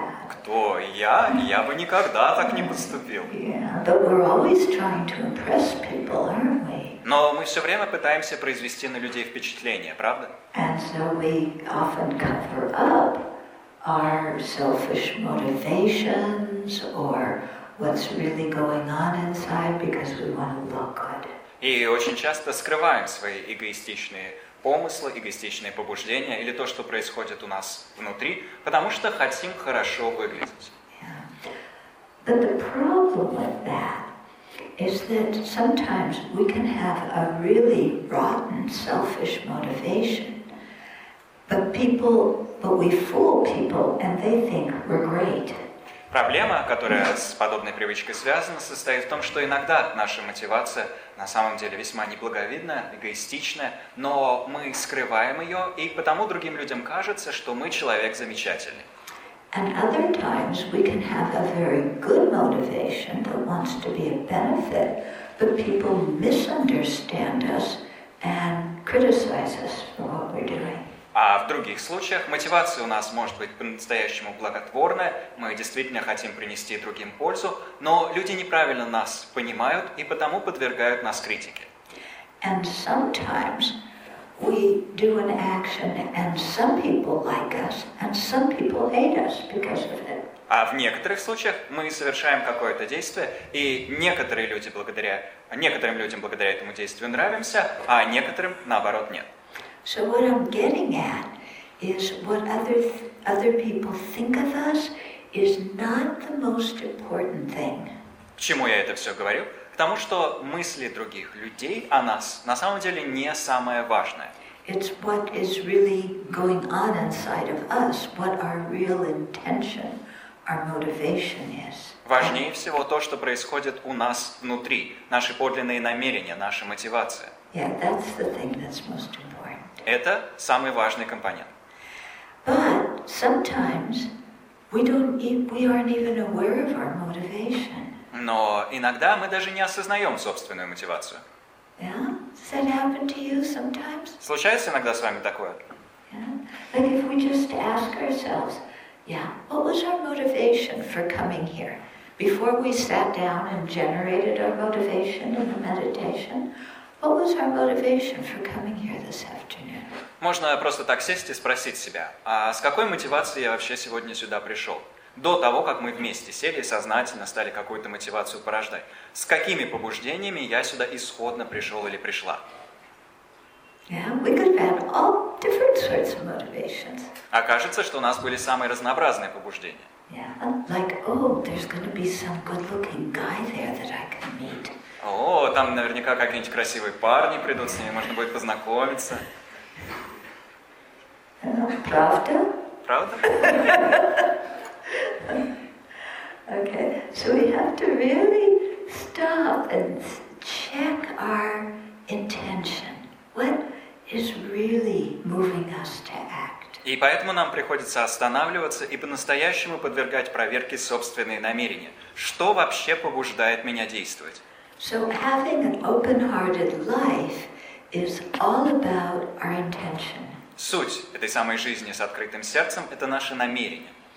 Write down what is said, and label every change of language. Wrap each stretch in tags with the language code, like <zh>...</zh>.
<ru>Кто? Я? Я бы никогда так не поступил.</ru> <en>But we're always trying to impress people, aren't we?</en> <ru>Но мы все время пытаемся произвести на людей впечатление, правда?</ru> <en>And so we often cover up our selfish motivations or what's really going on inside because we want to look good.</en> <ru>И очень часто скрываем свои эгоистичные помыслы, эгоистичные побуждения или то, что происходит у нас внутри, потому что хотим хорошо выглядеть.</ru> <en>Yeah. But the problem with that is that sometimes we can have a really rotten, selfish motivation, but we fool people and they think we're great.</en> <ru>Проблема, которая с подобной привычкой связана, состоит в том, что иногда наша мотивация на самом деле весьма неблаговидная, эгоистичная, но мы скрываем ее, и потому другим людям кажется, что мы человек замечательный.</ru> <en>And</en> <ru>А в других случаях мотивация у нас может быть по-настоящему благотворная, мы действительно хотим принести другим пользу, но люди неправильно нас понимают и потому подвергают нас критике.</ru> <en>And sometimes we do an action and some people like us and some people hate us because of it.</en> <ru>А в некоторых случаях мы совершаем какое-то действие, и некоторые люди благодаря некоторым людям благодаря этому действию нравимся, а некоторым наоборот нет.</ru> <en>So what I'm getting at is what other people think of us is not the most important thing.</en> <ru>К чему я это все говорю? К тому, что мысли других людей о нас на самом деле не самое важное.</ru> <en>It's what is really going on inside of us, what our real intention, our motivation is.</en> <ru>Важнее всего то, что происходит у нас внутри, наши подлинные намерения, наша мотивация.</ru> <en>Yeah, that's the thing that's most important.</en> <ru>Это самый важный компонент.</ru> <en>But sometimes we aren't even aware of our motivation.</en> <ru>Но иногда мы даже не осознаем собственную мотивацию.</ru> <en>Yeah? Does that happen to you sometimes?</en> <ru>Случается иногда с вами такое?</ru> <en>Yeah? Like if we just ask ourselves, yeah, what was our motivation for coming here? Before we sat down and generated our motivation in the meditation, what was our motivation for coming here this afternoon?</en> <ru>Можно просто так сесть и спросить себя, а с какой мотивацией я вообще сегодня сюда пришел? До того, как мы вместе сели и сознательно стали какую-то мотивацию порождать. С какими побуждениями я сюда исходно пришел или пришла?</ru> <en>Yeah, we could have all different sorts of motivations.</en> <ru>Окажется, что у нас были самые разнообразные побуждения.</ru> <en>Yeah, like, oh, there's gonna be some good-looking guy there that I can meet.</en> <ru>О, там наверняка какие-нибудь красивые парни придут, с ними можно будет познакомиться. Правда? Правда?</ru> <en>Okay, so we have to really stop and check our intention. What is really moving us to act?</en> <ru>И поэтому нам приходится останавливаться и по-настоящему подвергать проверке собственные намерения. Что вообще побуждает меня действовать?</ru> <en>So having an open-hearted life is all about our intention.</en> <ru>Суть этой самой жизни с открытым сердцем – это наше намерение.</ru>